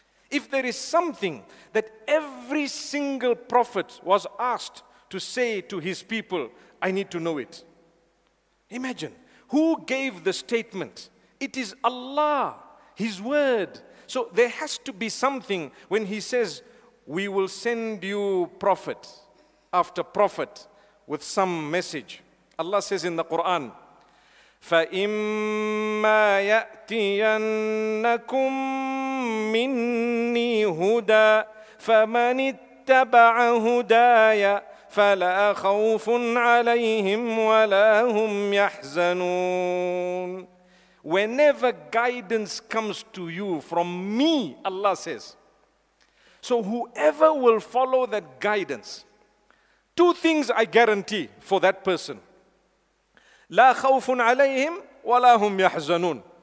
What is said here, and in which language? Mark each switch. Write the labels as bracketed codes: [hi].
[en] If there is something that every single prophet was asked to say to his people, I need to know it. Imagine, who gave the statement? It is Allah, His word. So there has to be something when He says, we will send you prophet after prophet with some message. Allah says in the Quran, [ar] فَإِمَّا يَأْتِيَنَّكُمْ مِنِّي هُدَى فَمَنِ اتَّبَعَ هُدَايَ فَلَا خَوْفٌ عَلَيْهِمْ وَلَا هُمْ يَحْزَنُونَ. [en] Whenever guidance comes to you from me, Allah says, so whoever will follow that guidance, two things I guarantee for that person. [ar] لَا خَوْفٌ عَلَيْهِمْ وَلَا هُمْ يَحْزَنُونَ.